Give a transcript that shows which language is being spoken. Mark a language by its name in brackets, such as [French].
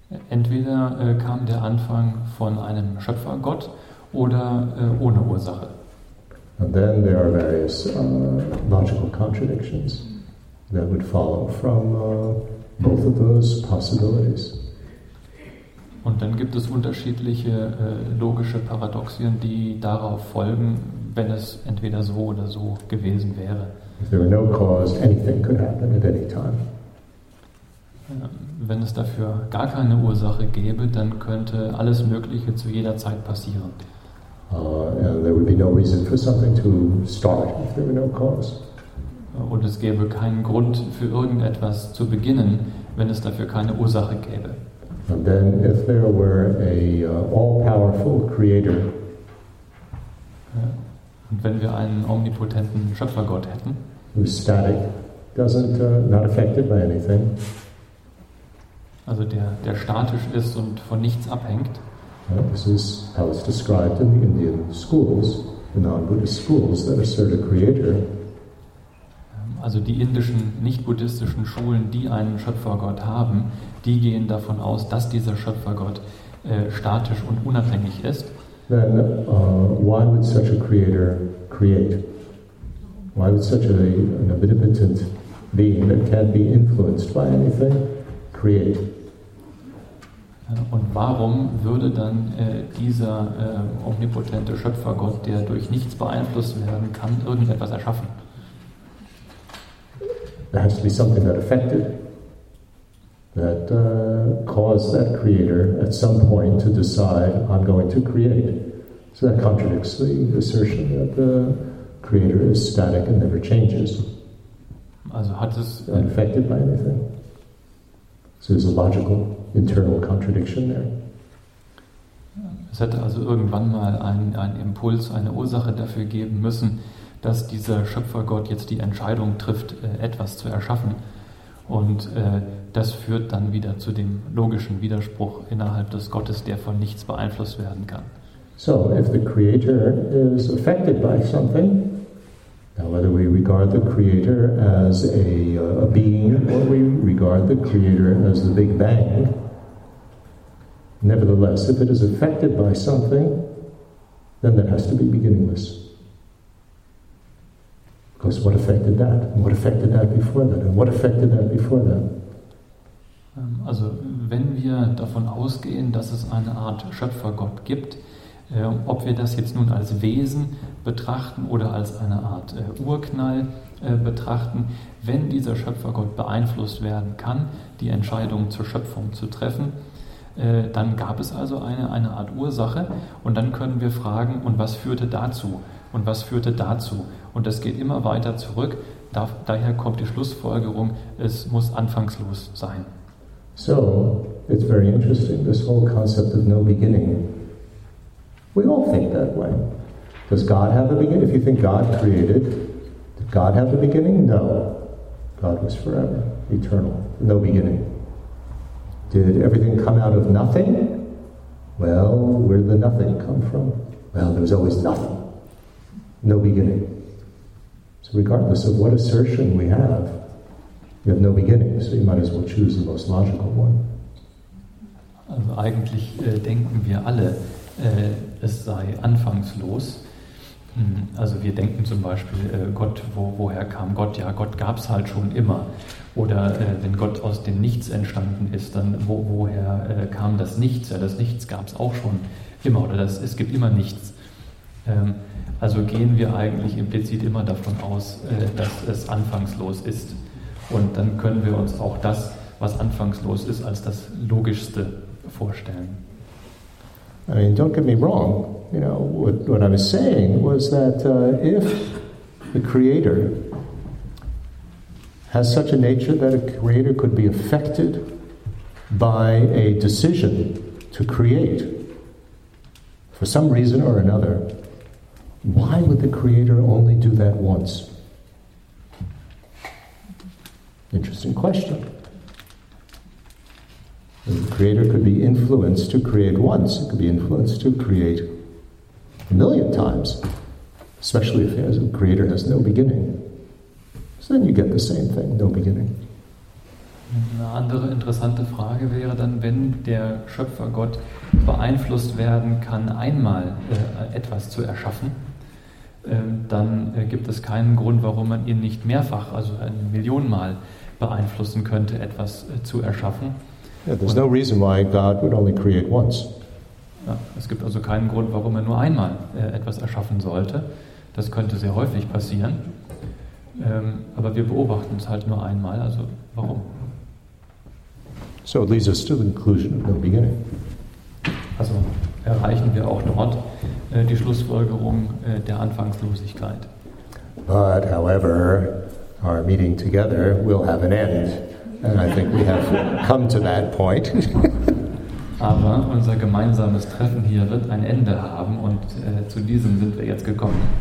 [German] Entweder kam der Anfang von einem Schöpfer, Gott, oder ohne Ursache. [English] And then there are various logical contradictions that would follow from both of those possibilities. [German] Und dann gibt es unterschiedliche logische Paradoxien, die darauf folgen, wenn es entweder so oder so gewesen wäre. [English] If there were no cause, anything could happen at any time. [German] Wenn es dafür gar keine Ursache gäbe, dann könnte alles Mögliche zu jeder Zeit passieren. [English] There would be no reason for something to start if there were no cause. [German] Und es gäbe keinen Grund für irgendetwas zu beginnen, wenn es dafür keine Ursache gäbe. [English] And then if there were a all-powerful creator. [German] Und wenn wir einen omnipotenten Schöpfergott hätten. [English] Who's static, doesn't not affected by anything. [German] Also der statisch ist und von nichts abhängt. [English] This is how it's described in the Indian schools, the non-Buddhist schools that assert a creator. [German] Also die indischen nicht-buddhistischen Schulen, die einen Schöpfergott haben, die gehen davon aus, dass dieser Schöpfergott statisch und unabhängig ist. [English] Then why would such a creator create? Why would such an omnipotent being that can't be influenced by anything create? [German] Und warum würde dann dieser omnipotente Schöpfergott, der durch nichts beeinflusst werden kann, irgendetwas erschaffen? [English] There has to be something that affected, that caused that creator at some point to decide, I'm going to create. So that contradicts the assertion that the creator is static and never changes. [German] Also hat es [English] unaffected by anything. So there's a logical internal contradiction there. [German] Es hätte also irgendwann mal ein Impuls, eine Ursache dafür geben müssen, dass dieser Schöpfergott jetzt die Entscheidung trifft, etwas zu erschaffen. Und das führt dann wieder zu dem logischen Widerspruch innerhalb des Gottes, der von nichts beeinflusst werden kann. [English] So, if the creator is affected by something, now whether we regard the creator as a being or we regard the creator as the Big Bang, nevertheless, if it is affected by something, then there has to be beginningless. Because what affected that? What affected that before that? And what affected that before that? [German] Also, wenn wir davon ausgehen, dass es eine Art Schöpfergott gibt, ob wir das jetzt nun als Wesen betrachten oder als eine Art Urknall betrachten, wenn dieser Schöpfergott beeinflusst werden kann, die Entscheidung zur Schöpfung zu treffen, dann gab es also eine Art Ursache und dann können wir fragen, und was führte dazu? Und was führte dazu? Und das geht immer weiter zurück. Daher kommt die Schlussfolgerung, es muss anfangslos sein. [English] So, it's very interesting, this whole concept of no beginning. We all think that way. Does God have a beginning? If you think God created, did God have a beginning? No. God was forever, eternal, no beginning. Did everything come out of nothing? Well, where did the nothing come from? Well, there was always nothing. No beginning. So regardless of what assertion we have, you have no beginning, so you might as well choose the most logical one. [German] Also eigentlich denken wir alle, es sei anfangslos. Also wir denken zum Beispiel, Gott, woher kam Gott? Ja, Gott gab es halt schon immer. Oder wenn Gott aus dem Nichts entstanden ist, dann woher kam das Nichts? Ja, das Nichts gab es auch schon immer. Oder es gibt immer Nichts. Also gehen wir eigentlich implizit immer davon aus, dass es anfangslos ist. Und dann können wir uns auch das, was anfangslos ist, als das Logischste vorstellen. [English] I mean, don't get me wrong. You know, what I was saying was that if the Creator has such a nature that a Creator could be affected by a decision to create for some reason or another, why would the Creator only do that once? Interesting question. The Creator could be influenced to create once. It could be influenced to create a million times, especially if the Creator has no beginning. So then you get the same thing, no beginning. [German] Eine andere interessante Frage wäre dann, wenn der Schöpfer Gott beeinflusst werden kann, einmal etwas zu erschaffen, dann gibt es keinen Grund, warum man ihn nicht mehrfach, also ein Millionenmal beeinflussen könnte, etwas zu erschaffen. [English] Yeah, there's no reason why God would only create once. [German] Ja, es gibt also keinen Grund, warum er nur einmal etwas erschaffen sollte. Das könnte sehr häufig passieren. Aber wir beobachten es halt nur einmal, also warum? [English] So it leads us to the conclusion of no beginning. [German] Also erreichen wir auch dort die Schlussfolgerung der Anfangslosigkeit. [English] But however, our meeting together will have an end. And I think we have come to that point. [German] Aber unser gemeinsames Treffen hier wird ein Ende haben und zu diesem sind wir jetzt gekommen.